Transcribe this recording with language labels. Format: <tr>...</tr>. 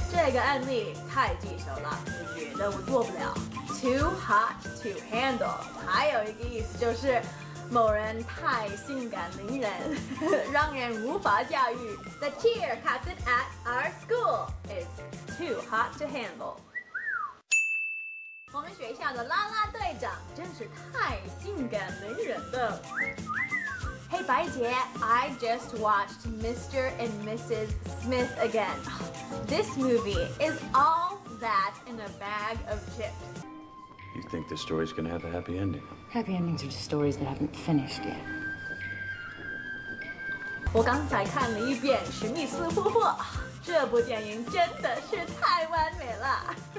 <zh>这个案例太棘手了，我觉得我做不了。</zh> <en>Too hot to handle.</en> <zh>还有一个意思就是某人太性感凌人，让人无法驾驭。</zh> <en>The cheer captain at our school is too hot to handle.</en> <zh>我们学校的啦啦队长真是太性感凌人的。</zh> <en>Hey, 白姐 I just watched Mr. and Mrs. Smith again. This movie is all that in a bag of chips. You think this story's gonna have a happy ending? Happy endings are just stories that haven't finished yet.</en> <zh>我刚才看了一遍《史密斯夫妇》，这部电影真的是太完美了。</zh>